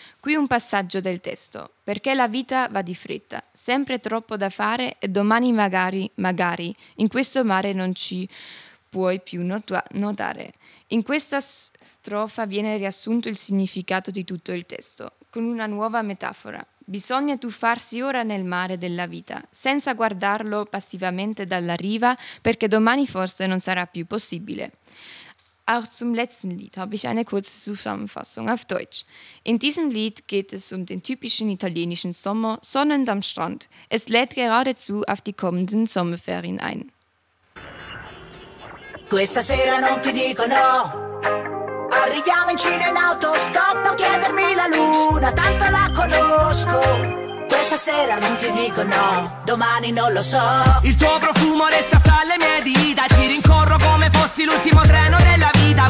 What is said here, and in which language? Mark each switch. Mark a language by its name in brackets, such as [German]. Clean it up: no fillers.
[Italian] Qui un passaggio del testo. Perché la vita va di fretta, sempre troppo da fare e domani magari, magari, in questo mare non ci puoi più nuotare. In questa strofa viene riassunto il significato di tutto il testo, con una nuova metafora. Bisogna tuffarsi ora nel mare della vita, senza guardarlo passivamente dalla riva, perché domani forse non sarà più possibile. [German] Auch zum letzten Lied habe ich eine kurze Zusammenfassung auf Deutsch. In diesem Lied geht es um den typischen italienischen Sommer, sonnend am Strand. Es lädt geradezu auf die kommenden Sommerferien ein. [Italian] Questa sera non ti dico no. Arriviamo in Cina in autostop, non chiedermi la luna, tanto la conosco. Questa sera non ti dico no, domani non lo so. Il tuo profumo resta fra le mie dita, ti rincorro come fossi l'ultimo treno della vita.